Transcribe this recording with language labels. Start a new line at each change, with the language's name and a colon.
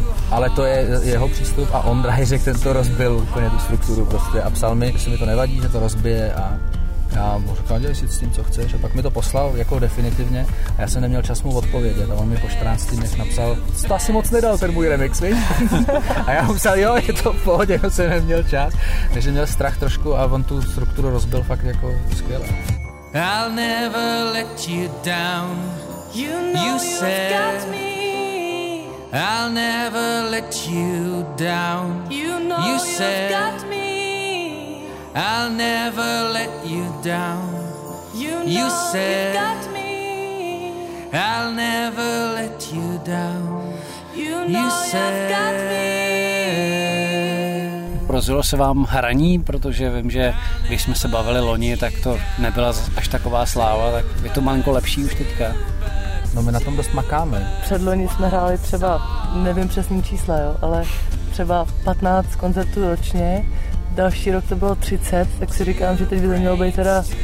Czech: Ale to je jeho přístup a on drahý řekl, ten to rozbil úplně tu strukturu prostě a psal mi, že se mi to nevadí, že to rozbije a já mu řekl, dělej si s tím, co chceš a pak mi to poslal jako definitivně a já jsem neměl čas mu odpovědět a on mi po 14 dnech napsal, to asi moc nedal ten můj remix, víš? A já mu psal, jo, je to v pohodě, já jsem neměl čas, takže měl strach trošku a on tu strukturu rozbil fakt jako skvěle.
English: I'll never let you down, you know you've got me. I'll never let you down, you know you said, you've got me. I'll never let you down, you know you said, you've got me. I'll never let you down, you know you said, you've got me.
Czech: Rozjelo se vám hraní, protože vím, že když jsme se bavili loni, tak to nebyla až taková sláva, tak je to malinko lepší už teďka. No my na tom dost makáme. Předloni jsme hráli třeba, nevím přesný čísla, jo, ale třeba 15 koncertů ročně, další rok to bylo 30, tak si říkám, že teď by to mělo být teda